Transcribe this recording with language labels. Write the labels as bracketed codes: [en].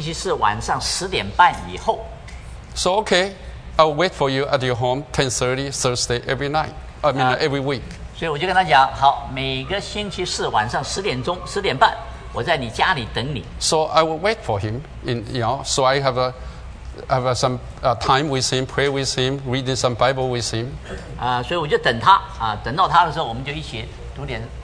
[zh] 他这个在餐馆做事的，他唯一有时间的时间是星期四晚上10:30以后。 [en] So okay. I'll wait for you at your home 10:30 Thursday every night. I mean every week. [zh] 所以我就跟他讲，好，每个星期四晚上十点半，我在你家里等你。 [en] So I will wait for him in, you know, so I have a some time with him, pray with him, reading some Bible with him. [zh] 所以我就等他，等到他的时候，我们就一起读点